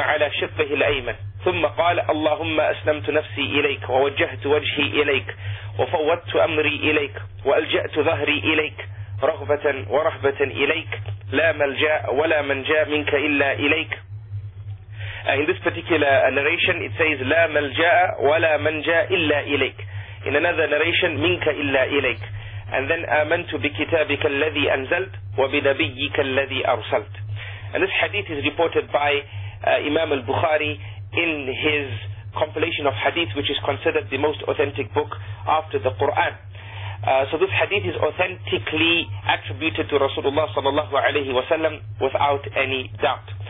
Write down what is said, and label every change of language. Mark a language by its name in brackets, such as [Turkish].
[Arabic] شِقِّهِ الْأَيْمَنِ ثُمَّ قَالَ اللَّهُمَّ أَسْلَمْتُ نَفْسِي إِلَيْكَ وَوَجَّهْتُ وَجْهِي إِلَيْكَ وَفَوَّضْتُ أَمْرِي إِلَيْكَ وَأَلْجَأْتُ ظَهْرِي إِلَيْكَ رَغْبَةً وَرَهْبَةً إِلَيْكَ لَا مَلْجَأَ وَلَا مَنْجَأَ مِنْكَ إِلَّا إِلَيْكَ. [English] In this particular narration, it says, [Arabic] لا ملجاء ولا منجاء إلا إليك. [English] In another narration, [Arabic] منك إلا إليك. [English] And then, [Arabic] آمنت بكتابك الذي أنزلت وبنبيك الذي أرسلت. [English] And this hadith is reported by Imam al-Bukhari in his compilation of hadith, which is considered the most authentic book after the Quran. So this hadith is authentically attributed to Rasulullah sallallahu alayhi wa sallam without any doubt.